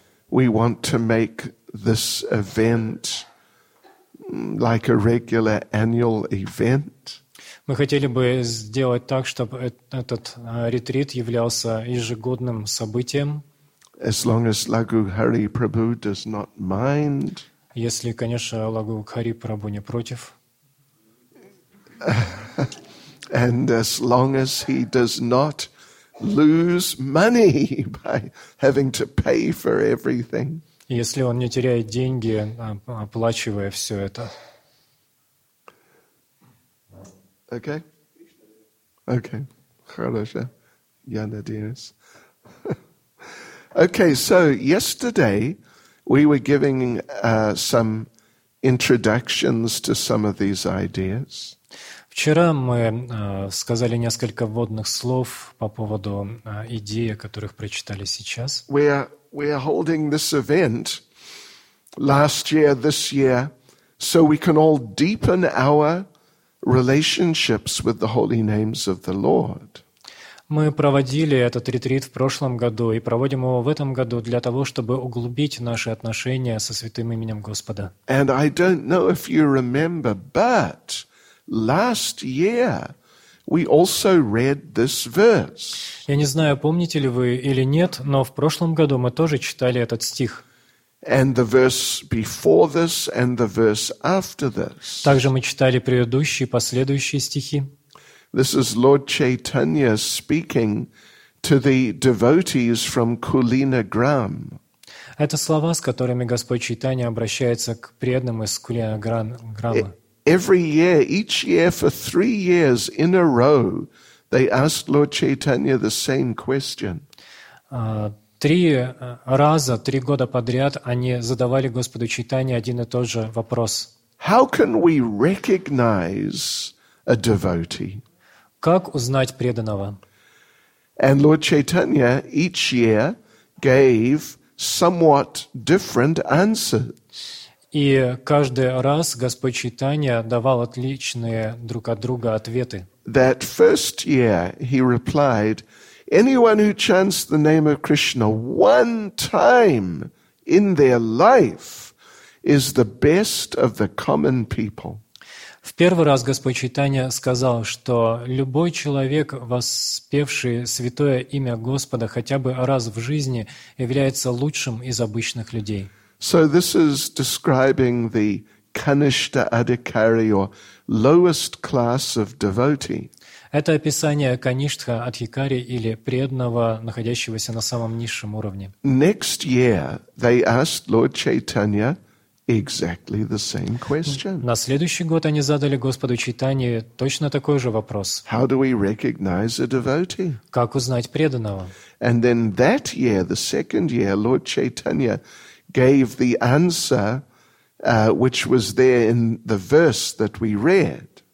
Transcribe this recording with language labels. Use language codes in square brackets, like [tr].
[en] We want to make this event like a regular annual event. [ru] Мы хотели бы сделать так, чтобы этот ретрит являлся ежегодным событием. [en] As long as Лагу Хари Прабху does not mind. [ru] Если, конечно, Лагу Хари Прабху не против. [en] And as long as he does not lose money by having to pay for everything. [ru] Если он не теряет деньги, оплачивая все это. [en] Okay. Okay. [ru] Хорошо. Я надеюсь. [en] Okay, so yesterday we were giving some introductions to some of these ideas. [ru] Вчера мы сказали несколько вводных слов по поводу идей, о которых прочитали сейчас. [en] We are holding this event last year, this year, so we can all deepen our relationships with the holy names of the Lord. [ru] Мы проводили этот ретрит в прошлом году и проводим его в этом году для того, чтобы углубить наши отношения со святым именем Господа. [en] And I don't know if you remember, but last year we also read this verse. [ru] Я не знаю, помните ли вы или нет, но в прошлом году мы тоже читали этот стих. [en] And the verse before this and the verse after this. [ru] Также мы читали предыдущие и последующие стихи. [en] This is Lord Chaitanya speaking to the devotees from Kulinagram. [ru] Это слова, с которыми Господь Чайтанья обращается к преданным из Кулинаграма. [en] Every year, each year for 3 years in a row, they asked Lord Chaitanya the same question. [ru] Три раза, три года подряд они задавали Господу Чайтанье один и тот же вопрос. [en] How can we recognize a devotee? [ru] Как узнать преданного? [en] And Lord Chaitanya each year gave somewhat different answers. [ru] И каждый раз Господь Чайтанья давал отличные друг от друга ответы. [en] That first year he replied, anyone who chants the name of Krishna one time in their life is the best of the common people. [ru] В первый раз Господь Чайтанья сказал, что любой человек, воспевший святое имя Господа хотя бы раз в жизни, является лучшим из обычных людей. [en] So this is describing the Kanishta Adhikari or lowest class of devotee. [ru] Это описание Каништа Адхикари или преданного, находящегося на самом низшем уровне. [en] Next year they asked Lord Chaitanya exactly the same question. [ru] На следующий год они задали Господу Чайтанье точно такой же вопрос. [en] How do we recognize a devotee? [ru] Как узнать преданного? [en] And then that year, the second year, Lord Chaitanya gave the answer, which was there in the verse that we read.